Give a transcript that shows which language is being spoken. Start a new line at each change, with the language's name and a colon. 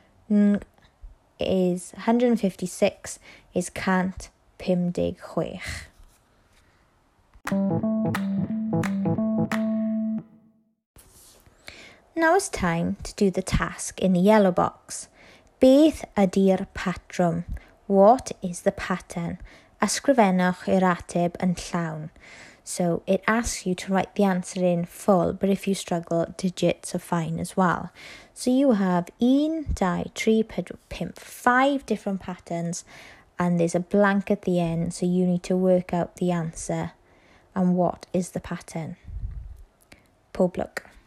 Welsh: Ng is 156 is cant pum deg chwech.
English: Now it's time to do the task in the yellow box.
Welsh: Beth ydy'r patrwm?
English: What is the pattern?
Welsh: Ysgrifennwch yr ateb yn llawn.
English: So it asks you to write the answer in full, but if you struggle, digits are fine as well. So you have 1, 2, 3, 4, 5, 5 different patterns, and there's a blank at the end, so you need to work out the answer and what is the pattern.
Welsh: Pob lwc.